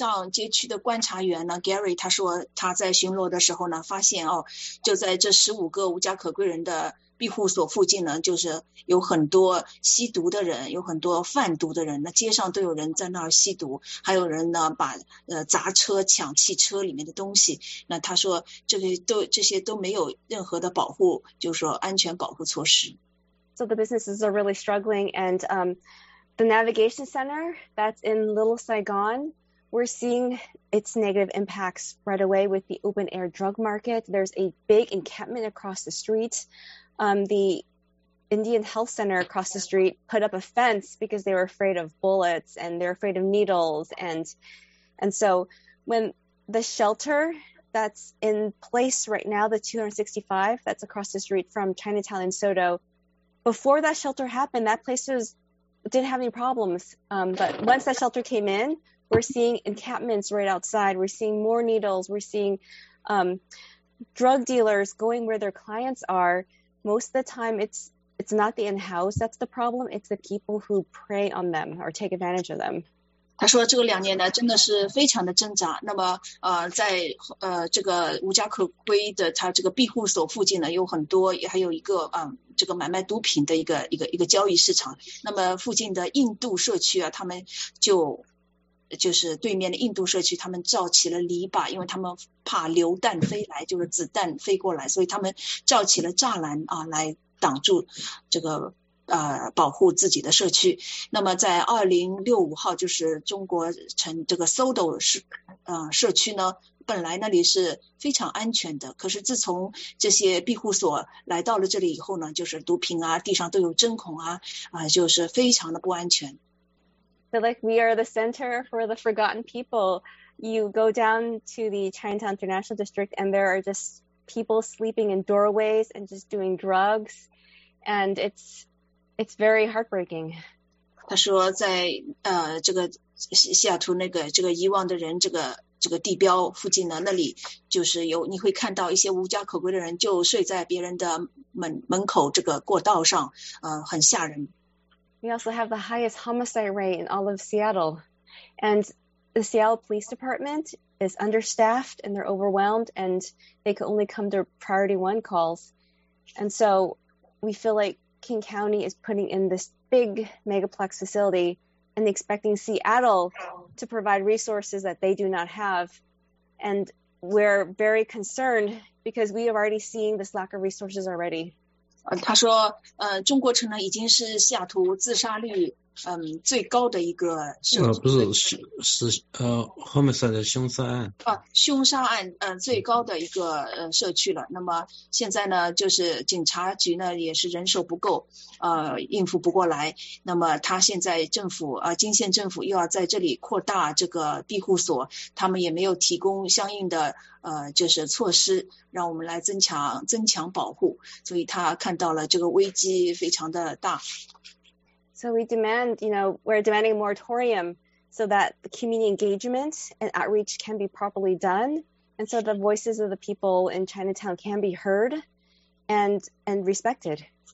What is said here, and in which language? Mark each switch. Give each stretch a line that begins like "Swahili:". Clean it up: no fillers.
Chinese: 那作为街上街区的观察员呢 ，Gary 他说，他在巡逻的时候呢，发现就在这15个无家可归人的庇护所附近呢，就是有很多吸毒的人，有很多贩毒的人。那街上都有人在那儿吸毒，还有人呢把砸车抢汽车里面的东西。那他说，这些都没有任何的保护，就是说安全保护措施。
English: So the businesses are really struggling, and the navigation center that's in Little Saigon, we're seeing its negative impacts right away with the open air drug market. There's a big encampment across the street. The Indian Health Center across the street put up a fence because they were afraid of bullets and they're afraid of needles. And so when the shelter that's in place right now, the 265 that's across the street from Chinatown in Soto, before that shelter happened, that place was didn't have any problems. But once that shelter came in, we're seeing encampments right outside. We're seeing more needles. We're seeing drug dealers going where their clients are. Most of the time, it's not the in-house that's the problem. It's the people who prey on them or take advantage of them.
Chinese: 他说这个两年呢真的是非常的挣扎，那么在这个无家可归的他这个庇护所附近呢有很多，还有一个这个买卖毒品的一个交易市场，那么附近的印度社区啊，他们就是对面的印度社区，他们造起了篱笆，因为他们怕榴弹飞来，就是子弹飞过来，所以他们造起了栅栏啊，来挡住这个保护自己的社区。那么在2065号，就是中国城这个 SODO 社区呢，本来那里是非常安全的，可是自从这些庇护所来到了这里以后呢，就是毒品啊，地上都有针孔啊，就是非常的不安全。
English: So like we are the center for the forgotten people. You go down to the Chinatown International District and there are just people sleeping in doorways and just doing drugs. And it's very heartbreaking.
Chinese: 他说在这个西雅图那个这个遗忘的人这个地标附近呢，那里就是有，你会看到一些无家可归的人就睡在别人的门口这个过道上，很吓人。
English: We also have the highest homicide rate in all of Seattle. And the Seattle Police Department is understaffed and they're overwhelmed and they can only come to priority one calls. And so we feel like King County is putting in this big megaplex facility and expecting Seattle to provide resources that they do not have. And we're very concerned because we are already seeing this lack of resources already.
Chinese: 他说中国城呢已经是西雅图自杀率最高的一个
English: homicide
Chinese: 凶杀案。凶杀案最高的一个社区了。那么现在呢就是警察局呢也是人手不够应付不过来。那么他现在政府金县政府又要在这里扩大这个庇护所，他们也没有提供相应的就是措施让我们来增强保护。所以他看到了这个危机非常的大。
English: So we demand, you know, we're demanding a moratorium so that the community engagement and outreach can be properly done. And so the voices of the people in Chinatown can be heard and respected.